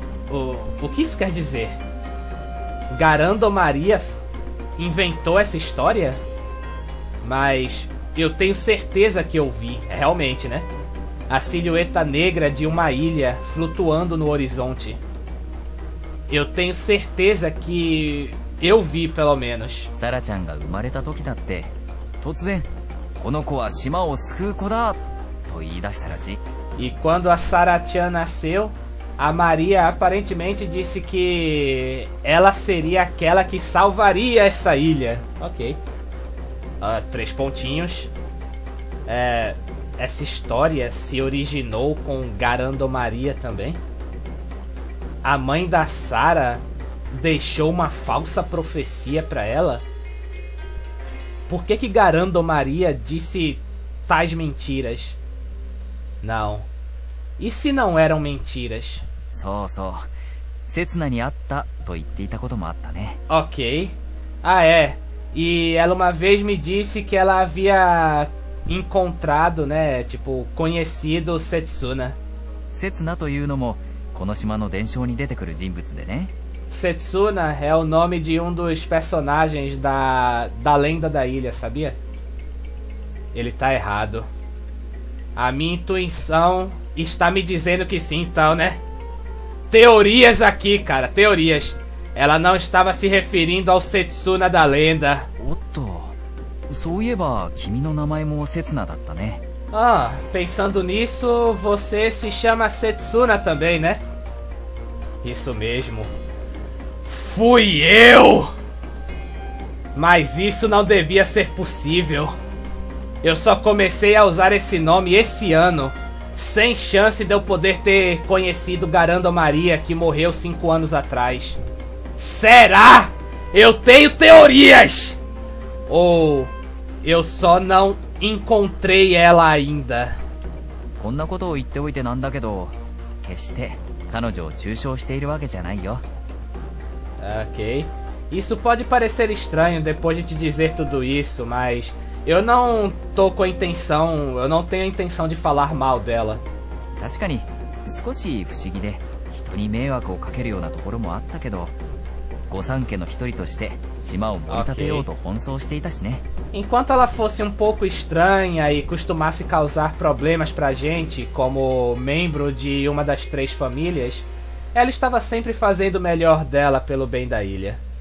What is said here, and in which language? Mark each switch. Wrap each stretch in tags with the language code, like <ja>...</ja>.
<pt>O que isso quer dizer? Garando Maria inventou essa história? Mas... Eu tenho certeza que eu vi, realmente, né? A silhueta negra de uma ilha flutuando no horizonte. Eu tenho certeza que eu vi, pelo menos.</pt> <ja>Sara-chan が生まれた時だって、突然、この子は島を救う子だ、と言い出したらしい。</ja> <pt>E quando a Sara-chan nasceu, a Maria aparentemente disse que ela seria aquela que salvaria essa ilha. Ok. Três pontinhos. Essa história se originou com Garando Maria também? A mãe da Sara deixou uma falsa profecia pra ela? Por que que Garando Maria disse tais mentiras? Não. E se não eram mentiras?</pt> <ja>そう。Setsuna ni atta to itteita koto mo atta ne.</ja> <pt>Ok. Ah, é. E ela uma vez me disse que ela havia encontrado, né, tipo, conhecido Setsuna.</pt> <ja>Setsuna というのも、この島の伝承に出てくる人物でね。</ja> <pt>Setsuna é o nome de um dos personagens da lenda da ilha, sabia? Ele tá errado. A minha intuição está me dizendo que sim, então, né? Teorias aqui, cara, teorias. Ela não estava se referindo ao Setsuna da lenda.</pt> <ja>Otto, そういえば君の名前もセツナだったね。</ja> <pt>Ah, pensando nisso, você se chama Setsuna também, né? Isso mesmo. Fui eu! Mas isso não devia ser possível. Eu só comecei a usar esse nome esse ano, sem chance de eu poder ter conhecido Garando Maria, que morreu 5 anos atrás. Será? Eu tenho teorias! Ou eu só não encontrei ela ainda?</pt> <ja>こんなことを言っておいてなんだけど、決して彼女を中傷しているわけじゃないよ。</ja> <pt>Ok. Isso pode parecer estranho depois de te dizer tudo isso, mas eu não tô com a intenção, eu não tenho a intenção de falar mal dela.</pt> <ja>確かに、少し不思議で、人に迷惑をかけるようなところもあったけど、御三家の一人として島を盛り立てようと奔走していたしね。</ja> <pt>enquanto ela fosse um pouco estranha e costumasse causar problemas pra gente, como membro de uma das três famílias, ela estava sempre fazendo o melhor dela pelo bem da ilha.</pt>